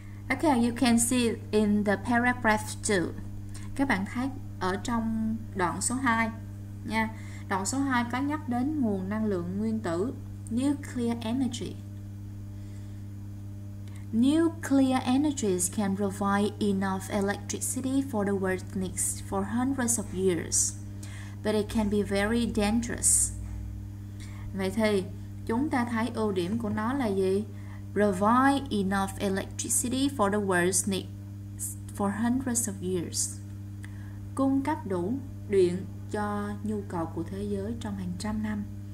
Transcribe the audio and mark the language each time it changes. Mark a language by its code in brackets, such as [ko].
[en] Okay, you can see in the paragraph 2. [vi] Các bạn thấy ở trong đoạn số 2 nha. Đoạn số 2 có nhắc đến nguồn năng lượng nguyên tử, nuclear energy. [en] Nuclear energies can provide enough electricity for the world next for hundreds of years, but it can be very dangerous. [vi] Vậy thì chúng ta thấy ưu điểm của nó là gì? [en] Provide enough electricity for the world's needs for hundreds of years. [vi] Cung cấp đủ điện cho nhu cầu của thế giới trong hàng trăm năm.